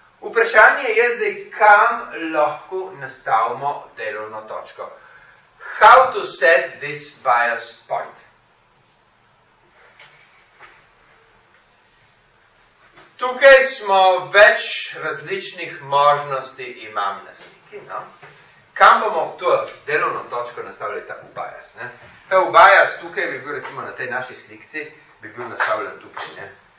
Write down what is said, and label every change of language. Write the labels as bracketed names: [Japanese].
[Slovenian] Vprašanje je zdaj, kam lahko nastavimo delovno točko. [English] How to set this bias point? [Slovenian] Tukaj smo več različnih možnosti imam na sliki. No? Kam bomo to delovno točko nastavili ta bias? Ne? Ta bias tukaj bi bil recimo na tej naši slikci, bi bil nastavljen tukaj. Ne?